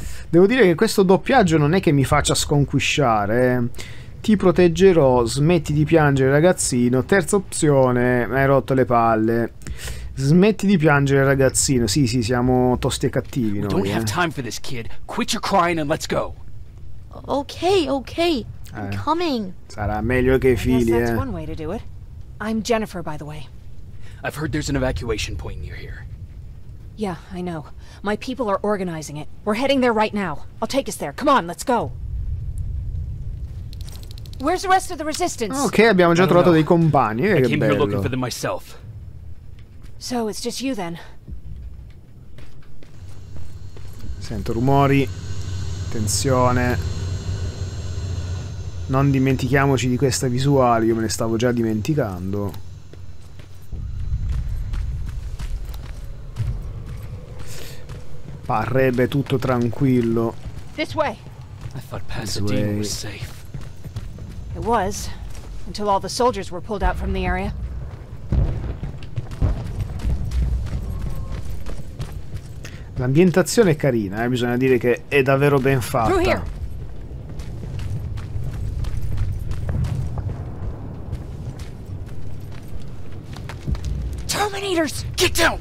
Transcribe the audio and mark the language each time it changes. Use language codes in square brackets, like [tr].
[it] Devo dire che questo doppiaggio non è che mi faccia sconquisciare. Ti proteggerò, smetti di piangere ragazzino. Terza opzione, hai rotto le palle. Smetti di piangere ragazzino. Sì, sì, siamo tosti e cattivi noi. [en] We don't have time for this kid. Quit your crying and let's go. Okay, okay. I'm coming. [it] Sarà meglio che i figli, [en] eh. That's one way to do it. I'm Jennifer, by the way. I've heard there's an evacuation point near here. Yeah, I know. My people are organizing it. We're heading there right now. I'll take us there. Come on, let's go. Where's the rest of the resistance? [it] Ok, abbiamo già trovato dei compagni. [en] I came [it] bello. [en] Here looking for them myself. So it's just you then. [it] Sento rumori. Attenzione. Non dimentichiamoci di questa visuale. Io me ne stavo già dimenticando. Parrebbe tutto tranquillo. [en] This way. I thought Pasadena was safe. It was, until all the soldiers were pulled out from the area. [it] L'ambientazione è carina, bisogna dire che è davvero ben fatta. [en] Through here. Terminators! Get down!